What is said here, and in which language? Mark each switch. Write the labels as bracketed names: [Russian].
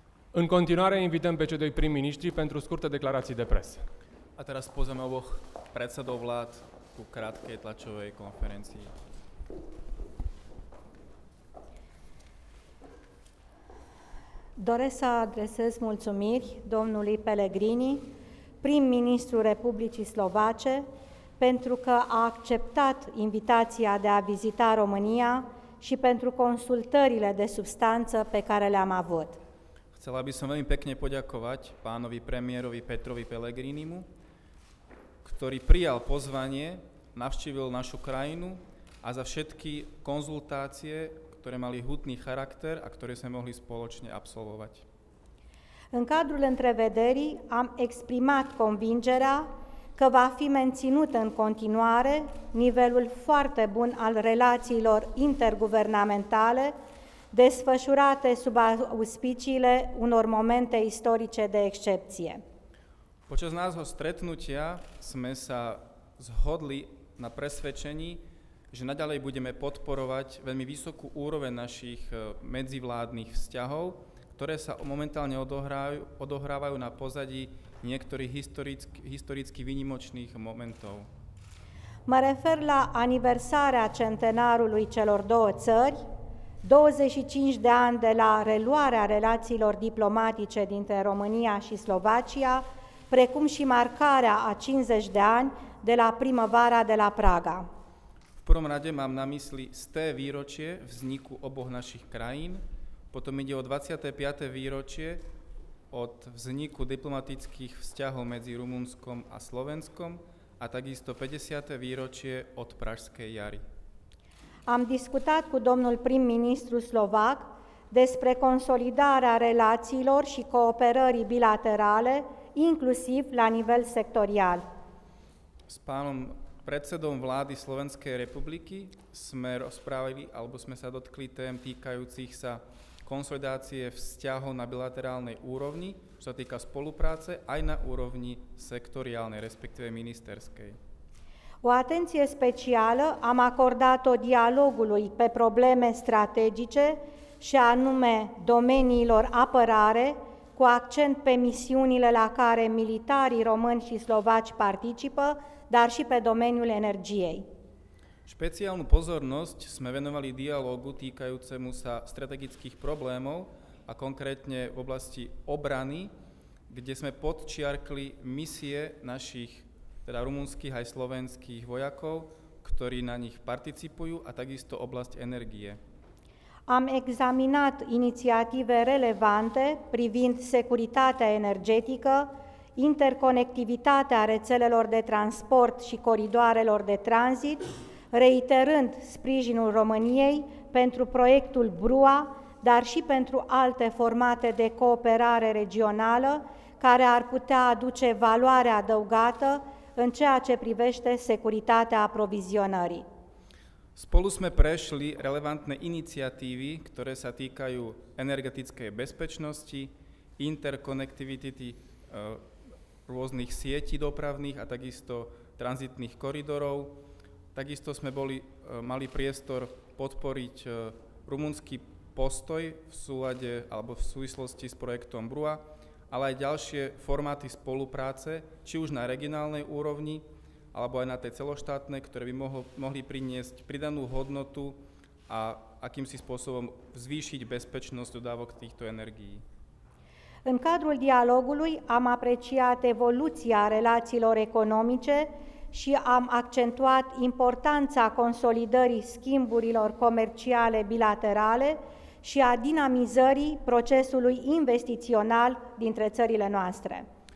[Romanian] În continuare invităm pe cei doi prim-ministri pentru scurte declarații de presă. [Slovak] A teraz pozveme oboch predsedov vlád ku krátkej tlačovej konferencii. [Romanian] Doresc să adresez mulțumiri domnului Pellegrini, prim-ministru Republicii Slovace, pentru că a acceptat invitația de a vizita România și pentru consultările de substanță pe care le-am avut. [Slovak] Chcela by som veľmi pekne poďakovať pánovi premiérovi Petrovi Pellegrinimu, ktorý prijal pozvanie, navštívil našu krajinu a za všetky konzultácie, ktoré mali hutný charakter a ktoré sme mohli spoločne absolvovať. [Romanian] În cadrul întrevederii am exprimat convingerea că va fi menținut în continuare nivelul foarte bun al relațiilor interguvernamentale desfășurate sub auspiciile unor momente istorice de excepție. [Slovak] Počas nášho stretnutia sme sa zhodli na presvedčení, že naďalej budeme podporovať veľmi vysokú úroveň našich medzivládnych vzťahov, ktoré sa momentálne odohrávajú na pozadí niektorých historicky výnimočných momentov. [Romanian] Mă refer la aniversarea centenarului celor două țări, 25 de ani de la reluarea relațiilor diplomatice dintre România și Slovacia, precum și marcarea a 50 de ani de la primăvara de la Praga. [Slovak] V prvom rade mám na mysli sté výročie vzniku oboch našich krajín, potom ide o 25. výročie od vzniku diplomatických vzťahov medzi Rumunskom a Slovenskom a takisto 50. výročie od Pražskej jary. [Romanian] Am discutat cu domnul prim-ministru slovac despre consolidarea relațiilor și cooperării bilaterale, inclusiv la nivel sectorial. [Slovak] S pánom predsedom vlády Slovenskej republiky sme rozprávali, alebo sme sa dotkli tém týkajúcich sa konsolidácie vzťahov na bilaterálnej úrovni, čo sa týka spolupráce, aj na úrovni sektoriálnej, respektíve ministerskej. [Romanian] O atenție specială am acordat-o dialogului pe probleme strategice și anume domeniilor apărare cu accent pe misiunile la care militarii români și slovaci participă, dar și pe domeniul energiei. [Slovak] Špeciálnu pozornosť sme venovali dialogu týkajúcemu sa strategických problémov a konkrétne v oblasti obrany, kde sme podčiarkli misie našich teda rumunských aj slovenských vojakov, ktorí na nich participujú, a takisto oblasť energie. [Romanian] Am examinat inițiative relevante privind securitatea energetică, interconectivitatea rețelelor de transport și coridoarelor de tranzit, reiterând sprijinul României pentru proiectul BRUA, dar și pentru alte formate de cooperare regională care ar putea aduce valoare adăugată în ceea ce privește securitatea aprovizionării. [Slovak] Spolu sme prešli relevantné iniciatívy, ktoré sa týkajú energetickej bezpečnosti, interconnectivity rôznych sietí dopravných a takisto tranzitných koridorov. Takisto sme mali priestor podporiť rumunský postoj v súlade alebo v súvislosti s projektom BRUA, ale aj ďalšie formáty spolupráce, či už na regionálnej úrovni, alebo aj na tej celoštátnej, ktoré by mohli priniesť pridanú hodnotu a akýmsi spôsobom zvýšiť bezpečnosť dodávok týchto energií. [Romanian] În cadrul dialogului am apreciat evoluția relațiilor economice și am accentuat importanța consolidării schimburilor comerciale bilaterale și a dinamizării procesului investițional dintre țările noastre.